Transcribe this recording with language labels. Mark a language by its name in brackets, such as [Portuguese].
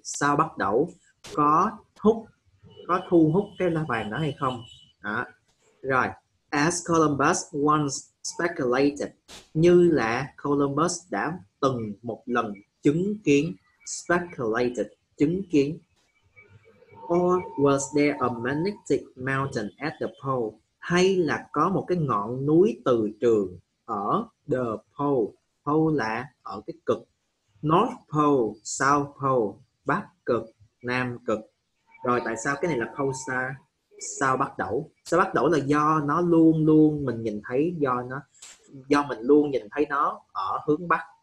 [Vietnamese] Sao bắt đầu có thu hút cái lá bàn đó hay không? Đó. Rồi, [English] as Columbus once speculated, [Vietnamese] như là Columbus đã từng một lần chứng kiến, speculated, chứng kiến. [English] Or was there a magnetic mountain at the pole? [Vietnamese] Hay là có một cái ngọn núi từ trường ở the pole? Pole là ở cái cực. North Pole, South Pole, Bắc Cực, Nam Cực. Rồi tại sao cái này là Pole Star? Sao bắt đầu? Sao bắt đầu là do nó luôn luôn mình nhìn thấy, do mình luôn nhìn thấy nó ở hướng Bắc.